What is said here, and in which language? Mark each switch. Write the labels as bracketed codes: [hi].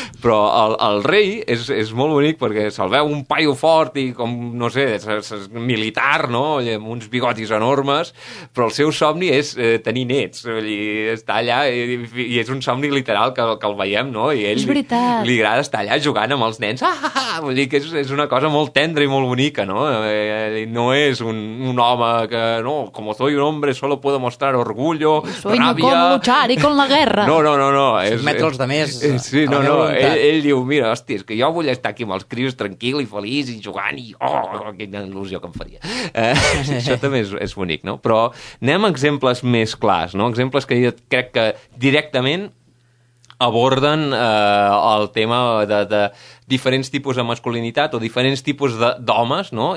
[ca] Però el rei és molt bonic perquè se'l veu un paio fort i com, no sé, és militar, no? Amb uns bigotis enormes, però el seu somni és tenir nets. I està allà i és un somni literal que el veiem, no? I ell li agrada estar allà jugant amb els nens. Vull dir que és una cosa molt tendre i molt bonica, no? No és un home que, [es] no, como soy un hombre solo puedo mostrar orgullo, soy rabia... Soy no con luchar y con la guerra. [ca] No. Sotmetre els demés. Sí, no, no. Ell diu, mira, hòstia, és que jo vull estar aquí amb els crios tranquil i feliç i jugant i, oh, quina il·lusió que em faria. Això també és bonic, no? Però anem a exemples més clars, no? Exemples que jo crec que directament aborden el tema de diferents tipus de masculinitat o diferents tipus d'homes, no?